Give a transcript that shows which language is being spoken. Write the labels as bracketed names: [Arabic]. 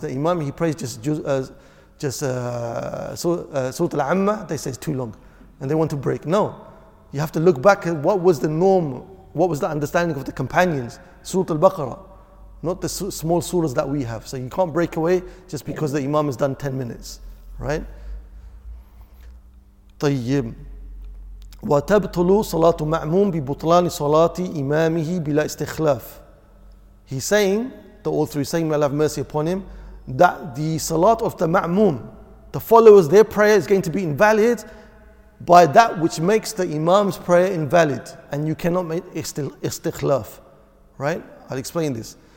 [English] The Imam, he prays Surah Al-Ammah, they say it's too long and they want to break. No, you have to look back at what was the norm, what was the understanding of the companions, Surah Al-Baqarah, not the small surahs that we have. So you can't break away just because the Imam has done 10 minutes, right? [Arabic] طيب وتبطل صلاة مأموم ببطلان صلاة إمامه بلا استخلاف. [English] He's saying, the author is saying, may Allah have mercy upon him, that the salat of the Ma'moom, the followers, their prayer is going to be invalid by that which makes the Imam's prayer invalid, and you cannot make istikhlaf. Right? I'll explain this.